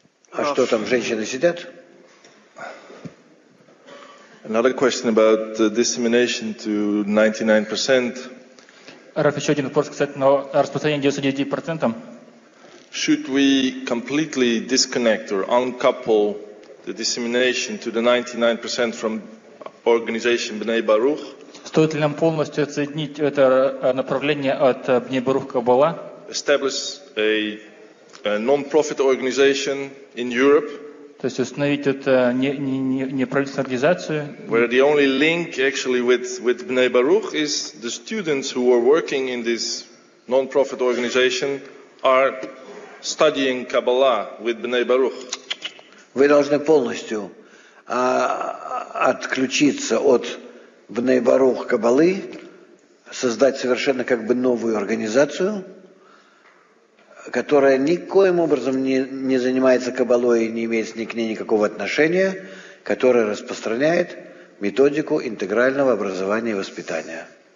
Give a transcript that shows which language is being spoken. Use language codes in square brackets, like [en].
[ru] А что там, женщины сидят? [en] Another question about dissemination to 99%. [ru] Раф, еще один вопрос, кстати, но распространение 99%. [en] Should we completely disconnect or uncouple the dissemination to the 99% from organization Bnei Baruch? [ru] Стоит ли нам полностью отсоединить это направление от Bnei Baruch Kabbalah? [en] Establish a non-profit organization in Europe. [ru] То есть установить это неправительственную организацию. [en] Where the only link actually with Bnei Baruch is the students who are working in this non-profit organization are studying Kabbalah with Bnei Baruch. [ru] Вы должны полностью отключиться от Бней Барух Кабалы, создать совершенно как бы новую организацию, которая никоим образом не занимается Кабалой и не имеет ни к ней никакого отношения, которая распространяет методику интегрального образования и воспитания.